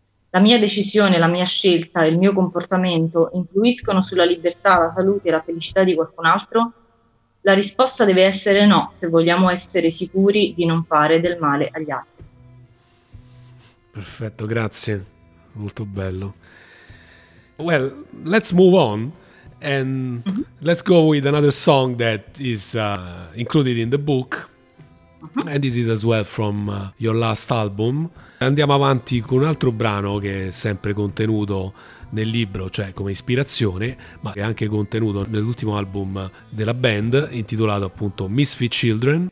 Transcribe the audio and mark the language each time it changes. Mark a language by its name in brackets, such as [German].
[Italian] La mia decisione, la mia scelta e il mio comportamento influiscono sulla libertà, la salute e la felicità di qualcun altro? La risposta deve essere no, se vogliamo essere sicuri di non fare del male agli altri. Perfetto, grazie. Molto bello. [English] Well, let's move on and let's go with another song that is included in the book. And this is as well from your last album. [Italian] Andiamo avanti con un altro brano che è sempre contenuto nel libro, cioè come ispirazione, ma è anche contenuto nell'ultimo album della band, intitolato appunto Misfit Children.